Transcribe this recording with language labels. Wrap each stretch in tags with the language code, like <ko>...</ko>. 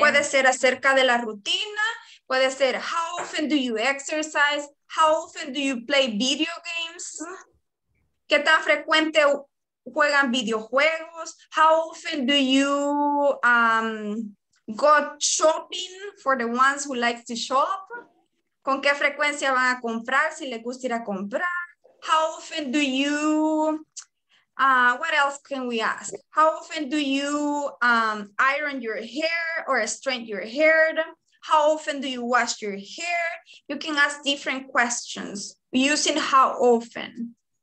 <es>Puede ser acerca de la rutina, puede ser</es> <en>how often do you exercise, how often do you play video games.</en> <es>¿Qué tan frecuente juegan videojuegos?</es> <en>How often do you go shopping for the ones who like to shop?</en> <es>¿Con qué frecuencia van a comprar si les gusta ir a comprar?</es> <en>How often do you, what else can we ask? How often do you iron your hair or straighten your hair? How often do you wash your hair? You can ask different questions using how often.</en>